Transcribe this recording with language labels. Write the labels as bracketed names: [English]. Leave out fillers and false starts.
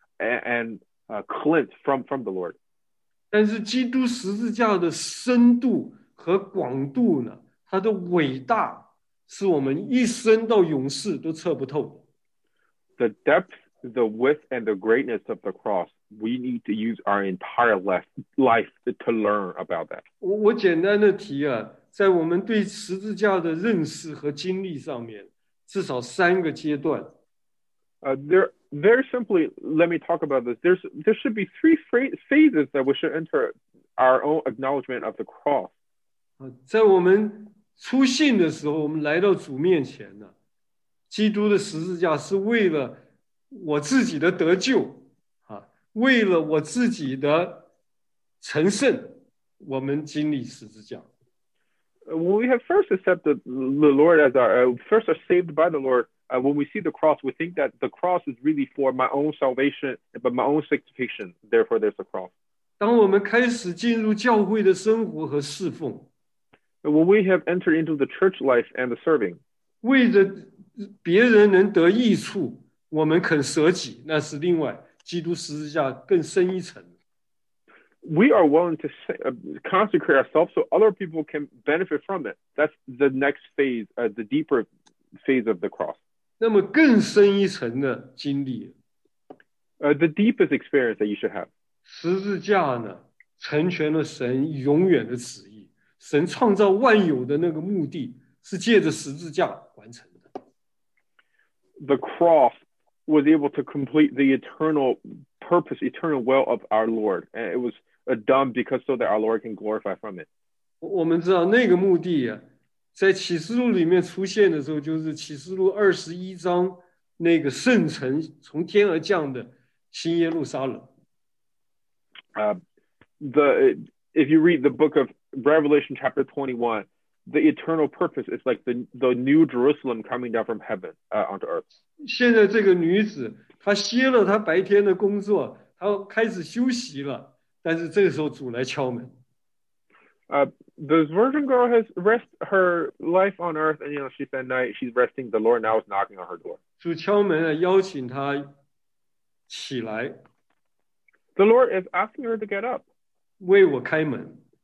[English] And cleanse from the Lord. [Chinese] 但是基督十字架的深度和广度呢，它的伟大是我们一生到永世都测不透。 [English] The depth, the width, and the greatness of the cross, we need to use our entire life to learn about that. [Chinese] 我简单的提啊，在我们对十字架的认识和经历上面，至少三个阶段。 [English] Very simply, let me talk about this. There should be three phases that we should enter our own acknowledgement of the cross. [Chinese] 在我们出信的时候，我们来到主面前呢，基督的十字架是为了我自己的得救，啊，为了我自己的成圣，我们经历十字架。 [English] When we have first accepted the Lord as our, first are saved by the Lord,when we see the cross, we think that the cross is really for my own salvation, but my own sanctification. Therefore, there's a cross. [Chinese] 当我们开始进入教会的生活和侍奉， [English] when we have entered into the church life and the serving, [Chinese] 为着别人能得益处，我们肯舍己，那是另外基督十字架更深一层。 [English] We are willing to consecrate ourselves so other people can benefit from it. That's the next phase, the deeper phase of the cross. [Chinese] 那么更深一层的经历 [English] ，the deepest experience that you should have. [Chinese] 十字架呢，成全了神永远的旨意，神创造万有的那个目的是借着十字架完成的。 [English] The cross was able to complete the eternal purpose, eternal will of our Lord, and it was done because so that our Lord can glorify from it. [Chinese] 我们知道那个目的啊，在启示录里面出现的时候，就是启示录二十一章那个圣城从天而降的新耶路撒冷。 [English] If you read the book of Revelation chapter 21, the eternal purpose is like the new Jerusalem coming down from heaven onto earth. [Chinese] 现在这个女子她歇了她白天的工作，她开始休息了，但是这个时候主来敲门。 [English] This virgin girl has rest her life on earth, and you know, she spent night, she's resting, the Lord now is knocking on her door. [Chinese] 主敲门了，邀请她起来。 [English] The Lord is asking her to get up. [Chinese] 为我开门。